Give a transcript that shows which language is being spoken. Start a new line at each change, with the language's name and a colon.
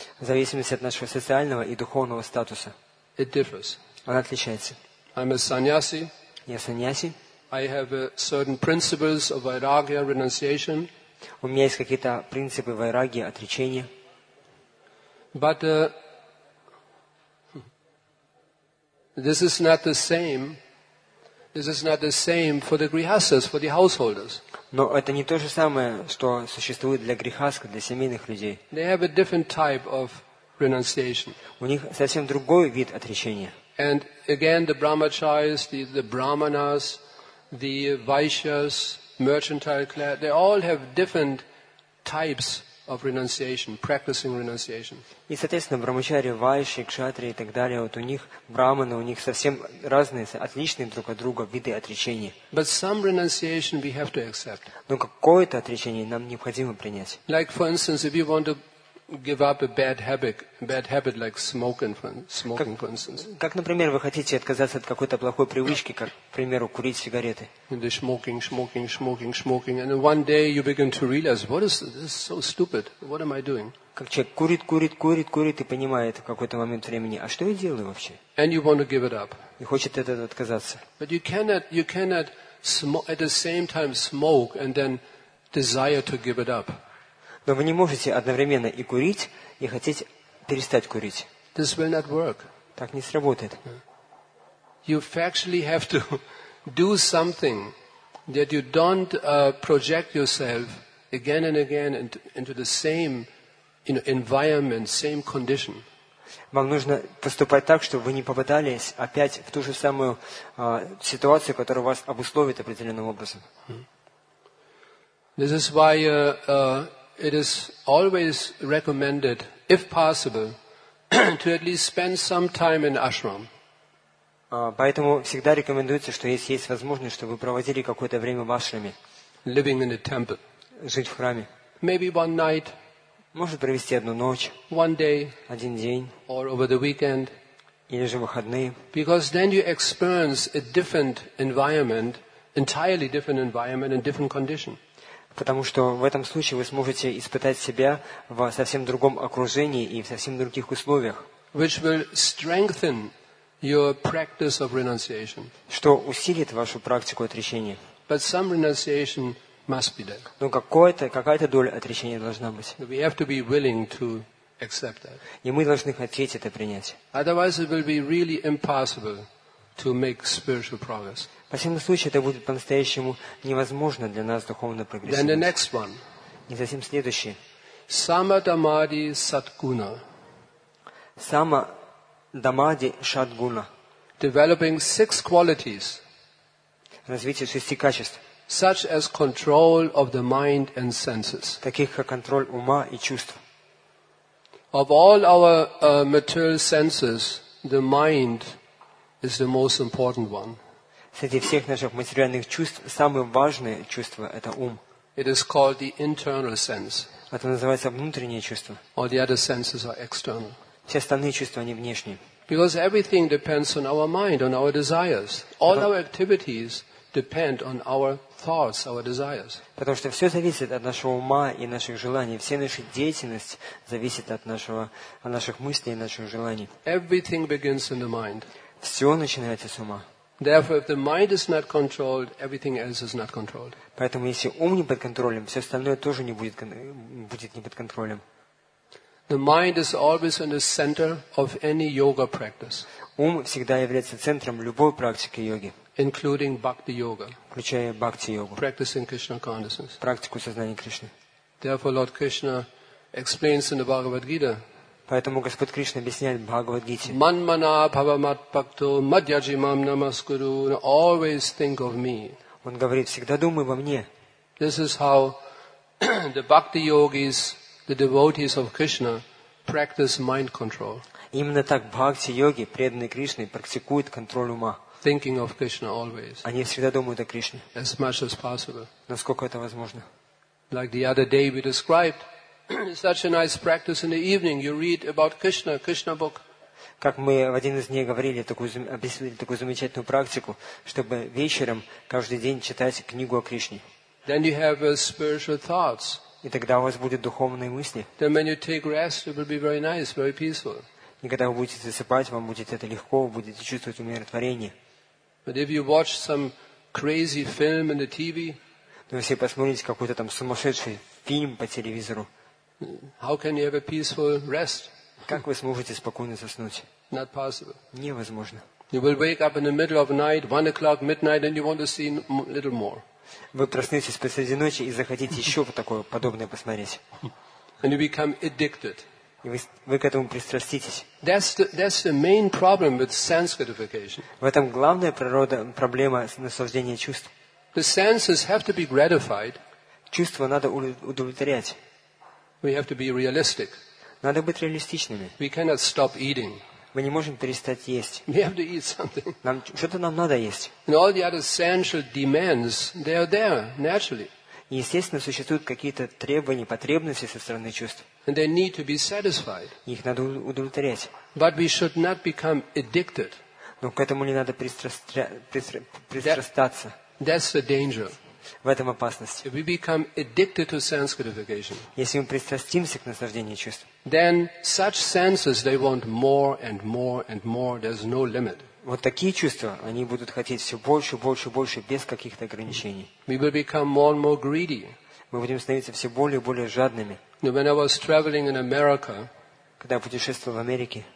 Russian: В зависимости от нашего социального и духовного статуса.
English: It differs.
Russian: Она отличается.
English: I'm a sannyasi.
Russian: Я саньяси.
English: I have certain principles of vairagya, renunciation.
Russian: У меня есть какие-то принципы вайраги, отречения.
English: But This is not the same for the grihasthas, for the householders.
Russian: Но это не то же самое, что существует для грихастха, для семейных людей.
English: They have a different type of renunciation.
Russian: У них совсем другой вид отречения.
English: And again, the brahmacharis, the brahmanas, the vaishyas, mercantile class, they all have different types of renunciation, practicing renunciation.
Russian: И, соответственно, брамачари, вайши, кшатри и так далее, вот у них браманы, у них совсем разные, отличные друг от друга виды отречения.
English: But some renunciation we have to accept.
Russian: Но какое-то отречение нам необходимо принять.
English: Like, for instance, if you want to give up a bad habit like smoking, for instance.
Russian: Как, например, вы хотите отказаться от какой-то плохой привычки, как, к примеру, курить сигареты.
English: The smoking, and one day you begin to realize, this is so stupid. What am I doing?
Russian: Как человек курит и понимает в какой-то момент времени, а что я делаю вообще?
English: And you want to give it up.
Russian: И хочет от этого отказаться.
English: But you cannot at the same time smoke and then desire to give it up.
Russian: Но вы не можете одновременно и курить, и хотеть перестать курить.
English: This will not work.
Russian: Так не сработает.
English: You factually have to do something that you don't project yourself again and again into the same environment, same condition.
Russian: Вам нужно поступать так, чтобы вы не попадались опять в ту же самую ситуацию, которая вас обусловит определенным образом.
English: This is why it is always recommended, if possible, to at least spend some time in ashram.
Russian: Поэтому всегда рекомендуется, что если есть возможность, чтобы вы проводили какое-то время в ашраме.
English: Living in a temple.
Russian: жить в храме.
English: Maybe one night.
Russian: Может провести одну ночь.
English: One day.
Russian: Один день.
English: Or over the weekend.
Russian: Или же выходные.
English: Because then you experience a different environment, entirely different environment and different condition.
Russian: Потому что в этом случае вы сможете испытать себя в совсем другом окружении и в совсем других условиях.
English: Which will strengthen your practice of renunciation.
Russian: Что усилит вашу практику отречения.
English: But some renunciation must be there.
Russian: Но какая-то доля отречения должна быть.
English: We have to be willing to accept that.
Russian: И мы должны хотеть это принять.
English: Otherwise it will be really impossible to make spiritual progress.
Russian: По всему случаю, это будет по-настоящему невозможно для нас духовно прогрессировать.
English: Then the next one.
Russian: И затем следующий.
Sanskrit: Самадамади садгуна. Самадамади садгуна.
English: Developing six qualities.
Russian: Развитие шести качеств.
English: Such as control of the mind and senses.
Russian: Таких как контроль ума и чувств.
English: Of all our material senses, the mind is the most important one.
Russian: Среди всех наших материальных чувств самое важное чувство – это ум.
English: It is called the internal sense.
Russian: Это называется внутреннее чувство.
English: All the other senses are external.
Russian: Все остальные чувства – они внешние.
English: Because everything depends on our mind, on our desires. All our activities depend on our thoughts, our desires.
Russian: Потому что все зависит от нашего ума и наших желаний. Вся наша деятельность зависит от наших мыслей и наших желаний.
English: Everything begins in the mind.
Russian: Все начинается с ума.
English: Therefore, if the mind is not controlled, everything else is not controlled.
Russian: Поэтому если ум не под контролем, все остальное тоже не будет не под контролем.
English: The mind is always in the center of any yoga practice.
Russian: Ум всегда является центром любой практики йоги,
English: including bhakti yoga,
Russian: включая бхакти йогу,
English: practicing Krishna consciousness,
Russian: практику сознания Кришны.
English: Therefore, Lord Krishna explains in the Bhagavad Gita.
Russian: Поэтому Господь Кришна объясняет в Бхагавад-гите.
Sanskrit: Манмана бхавамадбхакто мадьяджимам намаскуру.
English: Always think of me.
Russian: Он говорит, всегда думай во мне.
English: This is how the bhakti yogis, the devotees of Krishna, practice mind control.
Russian: Именно так бхакти-йоги, преданные Кришне, практикуют контроль ума.
English: Thinking of Krishna always.
Russian: Они всегда думают о Кришне.
English: As much as possible.
Russian: Насколько это возможно.
English: Like the other day we described, such a nice practice in the evening. You read about Krishna, Krishna book.
Russian: Как мы в один из дней говорили, описывали такую замечательную практику, чтобы вечером каждый день читать книгу о Кришне.
English: Then you have spiritual thoughts.
Russian: И тогда у вас будут духовные мысли.
English: Then when you take rest, it will be very nice, very peaceful.
Russian: И когда вы будете засыпать, вам будет это легко, вы будете чувствовать умиротворение.
English: But if you watch some crazy film in the TV,
Russian: но если посмотрите какой-то там сумасшедший фильм по телевизору.
English: How can you have a peaceful rest?
Russian: Как вы сможете спокойно заснуть?
English: Not possible.
Russian: Невозможно.
English: You will wake up in the middle of night, 1 o'clock midnight, and you want to see little more.
Russian: Вы проснетесь посреди ночи и захотите еще вот такое подобное посмотреть.
English: And you become addicted.
Russian: И вы к этому пристраститесь.
English: That's the main problem with sense gratification.
Russian: В этом главная проблема наслаждения чувств.
English: The senses have to be gratified.
Russian: Чувства надо удовлетворять.
English: We have to be realistic.
Russian: Надо быть реалистичными.
English: We cannot stop eating.
Russian: Мы не можем перестать есть.
English: We have to eat something.
Russian: Что-то нам надо есть.
English: And all the other essential demands, they are there naturally.
Russian: Естественно, существуют какие-то требования, потребности со стороны чувств.
English: And they need to be satisfied.
Russian: Их надо удовлетворять.
English: But we should not become addicted.
Russian: Но к этому не надо пристрастаться.
English: That's the danger.
Russian: В этом опасность.
English: We become addicted to sense gratification.
Russian: Если мы пристрастимся к наслаждению чувств,
English: then such senses they want more and more and more. There's no limit.
Russian: Вот такие чувства, они будут хотеть все больше, больше, больше без каких-то ограничений.
English: We will become more and more greedy.
Russian: Мы будем становиться все более и более жадными.
English: Now, when I was traveling in America,
Russian: когда я путешествовал в Америке,